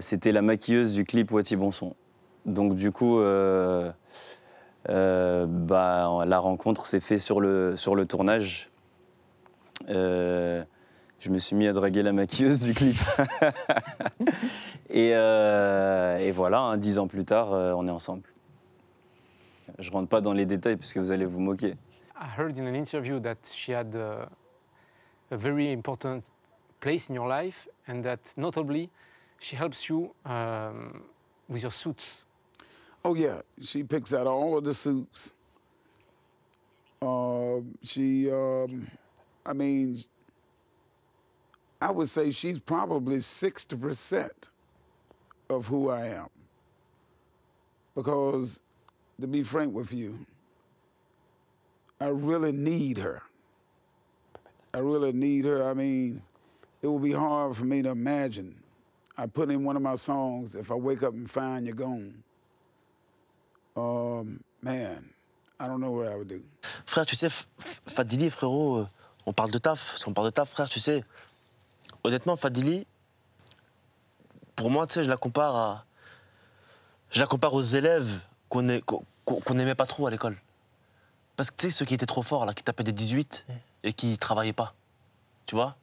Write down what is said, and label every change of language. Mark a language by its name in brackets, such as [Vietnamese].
[French] C'était la maquilleuse du clip Wati Bonson. Donc du coup, la rencontre s'est faite sur le tournage. Je me suis mis à draguer la maquilleuse du clip. et voilà, hein, 10 ans plus tard, on est ensemble. Je rentre pas dans les détails parce que vous allez vous moquer. [English] I heard in an interview that she had a very important place in your life and that notably she helps you with your suits. Oh yeah, she picks out all of the suits. I would say she's probably 60% of who I am. Because, to be frank with you, I really need her. I really need her. I mean, it would be hard for me to imagine. I put in one of my songs, If I Wake Up and Find You Gone. Man, I don't know what I would do. [French] Frère, tu sais, Fadili, frérot, on parle de taf. Si on parle de taf, frère, tu sais, honnêtement, Fadili, pour moi, tu sais, je la compare aux élèves qu'on aimait pas trop à l'école. Parce que, tu sais, ceux qui étaient trop forts, là, qui tapaient des 18 et qui travaillaient pas, tu vois.